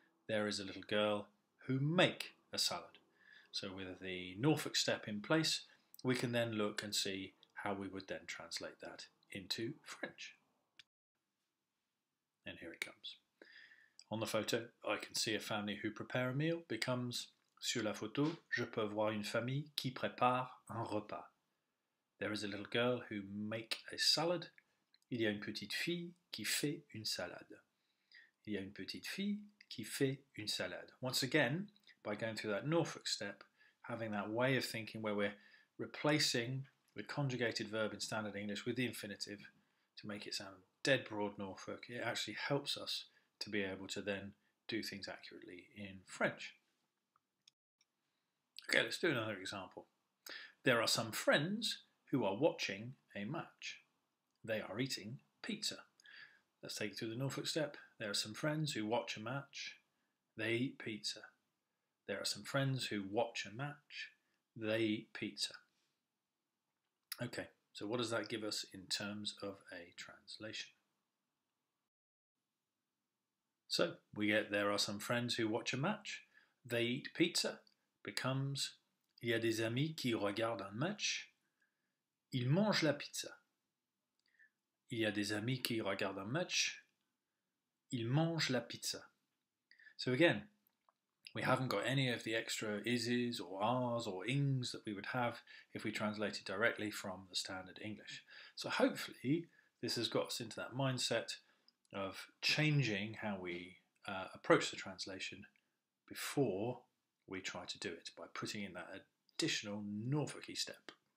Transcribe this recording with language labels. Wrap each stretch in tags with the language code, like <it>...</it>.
<en>There is a little girl who make a salad. So with the Norfolk step in place, we can then look and see how we would then translate that into French. And here it comes. On the photo, I can see a family who prepare a meal becomes</en> <fr>sur la photo, je peux voir une famille qui prépare un repas.</fr> <en>There is a little girl who make a salad.</en> <fr>Il y a une petite fille qui fait une salade. Il y a une petite fille qui fait une salade.</fr> <en>Once again, by going through that Norfolk step, having that way of thinking where we're replacing the conjugated verb in standard English with the infinitive to make it sound dead broad Norfolk, it actually helps us to be able to then do things accurately in French. Okay, let's do another example. There are some friends who are watching a match. They are eating pizza. Let's take it through the Norfolk step. There are some friends who watch a match. They eat pizza. There are some friends who watch a match. They eat pizza. Okay, so what does that give us in terms of a translation? So we get there are some friends who watch a match. They eat pizza becomes</en> <fr>il y a des amis qui regardent un match. Ils mangent la pizza. Il y a des amis qui regardent un match. Ils mangent la pizza.</fr> <en>So again, we haven't got any of the extra is's or are's or ing's that we would have if we translated directly from the standard English. So hopefully this has got us into that mindset of changing how we approach the translation before we try to do it by putting in that additional Norfolk-y step.</en>